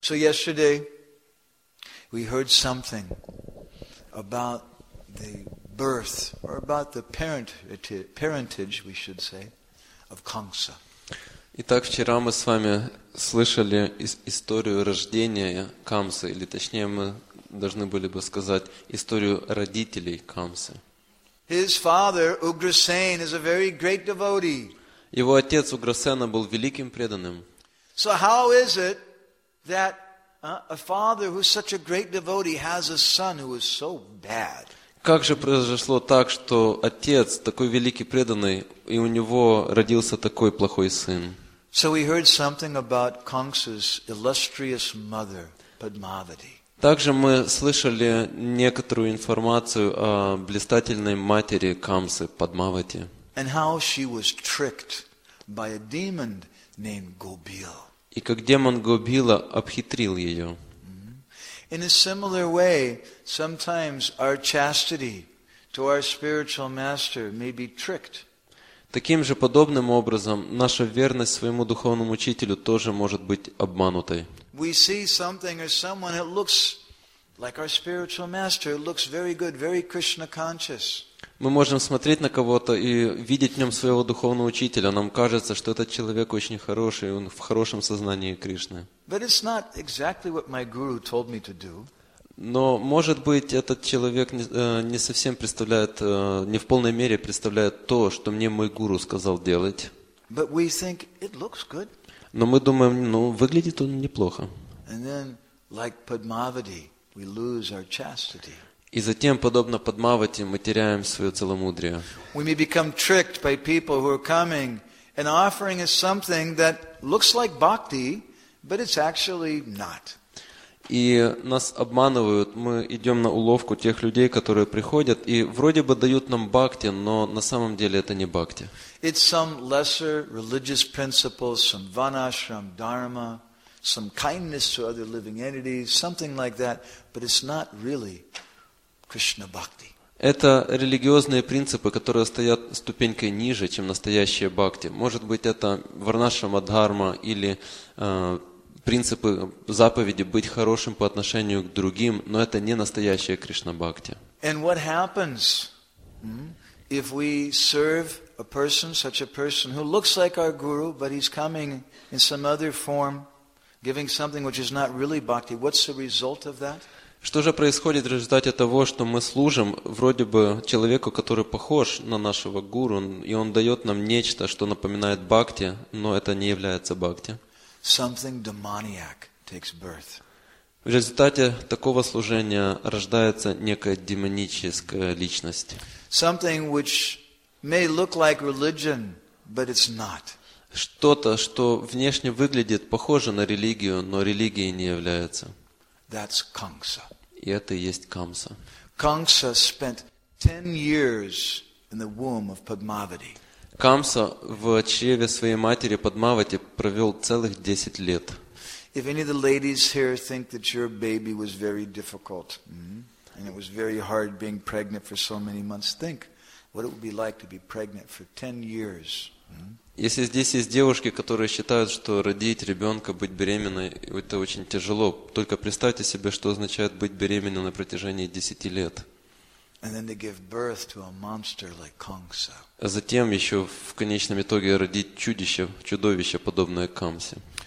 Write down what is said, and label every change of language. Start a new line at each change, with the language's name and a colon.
English: So yesterday, we heard something about the birth, or about the parentage, we should say, of Kamsa.
Russian: Итак, вчера мы с вами слышали историю рождения Камсы, или точнее мы должны были бы сказать историю родителей Камсы.
English: His father, Ugrasen, is a very great devotee.
Russian: Его отец Уграсена был великим преданным.
English: So how is it that a father who's such a great devotee has a son who is so bad?
Russian: Как же произошло так, что отец такой великий преданный, и у него родился такой плохой сын?
English: So we heard something about Kamsa's illustrious mother, Padmavati.
Russian: Также мы слышали некоторую информацию о блистательной матери Камсы, Падмавати.
English: And how she was tricked by a demon named Gobil.
Russian: И как демон Гобила обхитрил ее.
English: In a similar way, sometimes our chastity to our spiritual master may be tricked.
Russian: Таким же подобным образом наша верность своему духовному учителю тоже может быть обманутой.
English: We see something or someone that looks like our spiritual master, it looks very good, very Krishna conscious.
Russian: Мы можем смотреть на кого-то и видеть в нем своего духовного учителя. Нам кажется, что этот человек очень хороший, он в хорошем сознании Кришны.
English: But it's not exactly what my guru told me to do.
Russian: Но, может быть, этот человек не совсем представляет, не в полной мере представляет то, что мне мой гуру сказал делать.
English: But we think it looks good.
Russian: Но мы думаем, ну, выглядит он неплохо.
English: And then, like Padmavati, we lose our chastity.
Russian: И затем, подобно Падмавати, мы теряем свое целомудрие.
English: We may become tricked by people who are coming and offering us something that looks like bhakti, but it's actually not.
Russian: И нас обманывают, мы идем на уловку тех людей, которые приходят, и вроде бы дают нам бхакти, но на самом деле это не бхакти.
English: It's some lesser religious principles, some vanashram dharma, some kindness to other living entities, something like that, but it's not really Krishna bhakti.
Russian: Это религиозные принципы, которые стоят ступенькой ниже, чем настоящие бхакти. Может быть, это варнашрама дхарма или принципы заповеди быть хорошим по отношению к другим, но это не настоящая Кришна бхакти.
English: And what happens if we serve a person, such a person who looks like our guru, but he's coming in some other form, giving something which is not really bhakti? What's the result of that?
Russian: Что же происходит в результате того, что мы служим вроде бы человеку, который похож на нашего гуру, и он дает нам нечто, что напоминает бхакти, но это не является бхакти?
English: Something demoniac takes birth.
Russian: В результате такого служения рождается некая демоническая личность.
English: Something which may look like religion, but it's not.
Russian: Что-то, что внешне выглядит похоже на религию, но религией не является.
English: That's Kamsa.
Russian: И это и есть Камса.
English: Kamsa spent 10 years in the womb of Padmavati.
Russian: Камса в чреве своей матери Падмавати провел целых 10 лет.
English: If any of the ladies here think that your baby was very difficult, and it was very hard being pregnant for so many months, think what it would be like to be pregnant for 10 years.
Russian: Если здесь есть девушки, которые считают, что родить ребенка, быть беременной, это очень тяжело, только представьте себе, что означает быть беременной на протяжении 10 лет.
English: And then to give birth to a monster like Kamsa.
Russian: А затем еще в конечном итоге родить чудище, чудовище, подобное Камсе.